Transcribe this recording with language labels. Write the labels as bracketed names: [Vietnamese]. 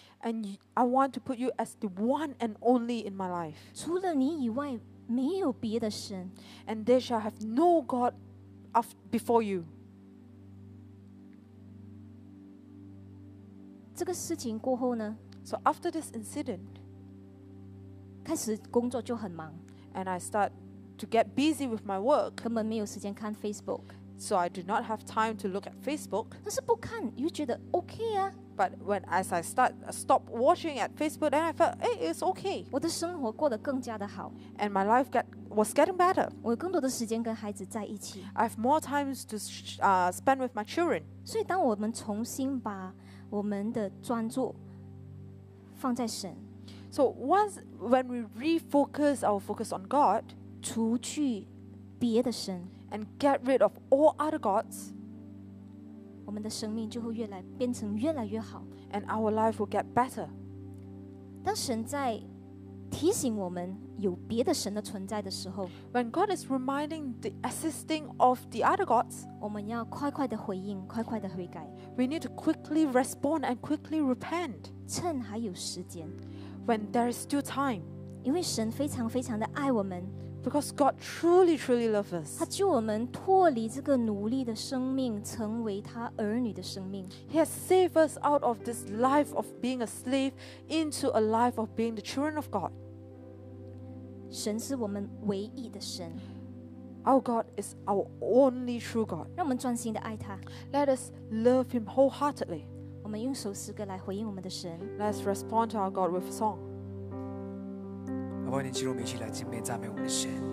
[English] And I want to put you as the one and only in my life。 [Chinese] 除了你以外，没有别的神。 [English] And there shall have no God before you。 [Chinese] 这个事情过后呢？ [English] So after this incident, [Chinese] 开始工作就很忙 [English] and I start to get busy with my work. [Chinese] 根本没有时间看 Facebook. [English] So I do not have time to look at Facebook. [Chinese] 但是不看，又觉得 okay 啊。 [English] But when as I stop watching at Facebook, then I felt, hey, it's okay. [Chinese] 我的生活过得更加的好。 [English] And my life was getting better. [Chinese] 我有更多的时间跟孩子在一起。 [English] I have more time to spend with my children. [Chinese] 所以当我们重新把我们的专注放在神 [English] So once when we refocus our focus on God [Chinese] 除去别的神 [English] And get rid of all other gods [Chinese] 我们的生命就会越来变成越来越好 [English] And our life will get better [Chinese] 当神在提醒我们有别的神的存在的时候 [English] When God is reminding the assisting of the other gods [Chinese] 我们要快快的回应快快的悔改 [English] We need to quickly respond and quickly repent [Chinese] 趁还有时间 [English] When there is still time [Chinese] 因为神非常非常的爱我们 [English] Because God truly, truly loves us. [Chinese] 他救我们脱离这个奴隶的生命，成为他儿女的生命。 [English] He has saved us out of this life of being a slave into a life of being the children of God. [Chinese] 神是我们唯一的神。 [English] Our God is our only true God. [Chinese] 让我们专心的爱他。 [English] Let us love Him wholeheartedly. [Chinese] 我们用首诗歌来回应我们的神。 [English] Let's respond to our God with a song. [Chinese] 好不好，你记住我们一起来敬拜赞美我们的神。